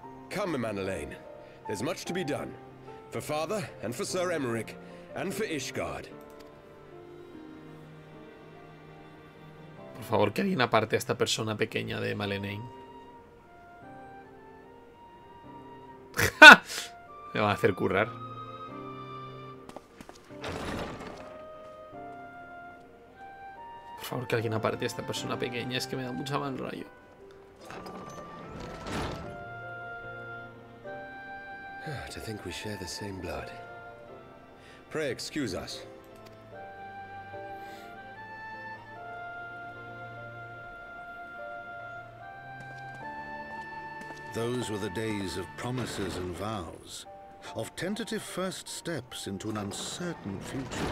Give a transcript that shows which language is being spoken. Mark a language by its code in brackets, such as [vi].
[en] Come, Emmanuel. There's much to be done. For father, and for Sir Emmerich, and for Ishgard. [es] Por favor, que alguien aparte a esta persona pequeña de Malenain. Me va a hacer currar. Por favor, que alguien aparte a esta persona pequeña, es que me da mucha mal rayo. [en] Ah, to think we share the same blood. Pray excuse us. Those were the days of promises and vows, of tentative first steps into an uncertain future.